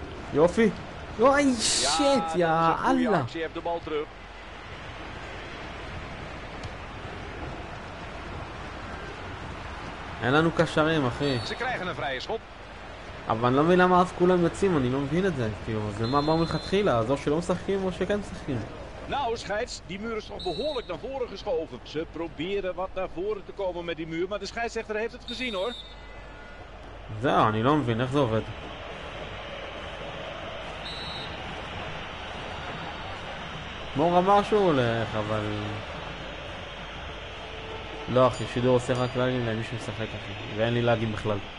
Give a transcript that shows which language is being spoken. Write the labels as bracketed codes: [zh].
[nl] Joffi. Oh shit, ja, Allah. Je hebt de bal terug. [he] אין לנו קשרים, אחי. [nl] Ze krijgen een vrije schop. [he] אבל אני לא מבין למה אף כולם יוצאים, אני לא מבין את זה, כאילו, זה מה אמרו מלכתחילה, אז או שלא משחקים או שכן משחקים. [nl] Nou, scheids, die muur is toch behoorlijk naar voren geschoven. Ze proberen wat naar voren te komen met die muur, maar de scheidsrechter heeft het gezien hoor. [he] Ja, אני לא מבין, איך זה עובד? מור אמר שהוא הולך, אבל... לא, אחי, שידור עושה רק לאגים למי שמשחק, אחי, ואין לי לאגים בכלל.